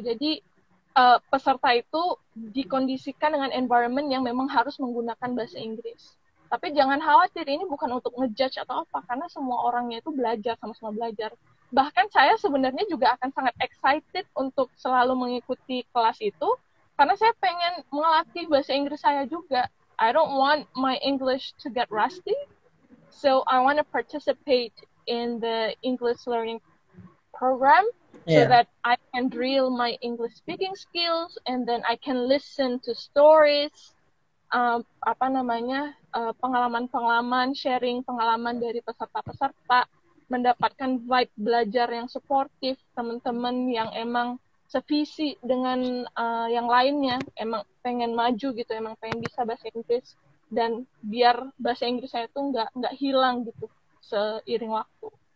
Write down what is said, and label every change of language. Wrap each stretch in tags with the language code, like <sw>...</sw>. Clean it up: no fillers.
<id>Jadi peserta itu dikondisikan dengan environment yang memang harus menggunakan bahasa Inggris. Tapi jangan khawatir, ini bukan untuk ngejudge atau apa, karena semua orangnya itu belajar, sama-sama belajar. Bahkan saya sebenarnya juga akan sangat excited untuk selalu mengikuti kelas itu, karena saya pengen melatih bahasa Inggris saya juga.</id> <en>I don't want my English to get rusty, so I want to participate in the English learning program so Yeah. that I can drill my English speaking skills and then I can listen to stories.</en> <id>Apa namanya, pengalaman-pengalaman, sharing pengalaman dari peserta-peserta, mendapatkan vibe belajar yang suportif, teman-teman yang emang sevisi dengan yang lainnya, emang pengen maju gitu, emang pengen bisa bahasa Inggris, dan biar bahasa Inggris saya tuh nggak hilang gitu seiring waktu.</id>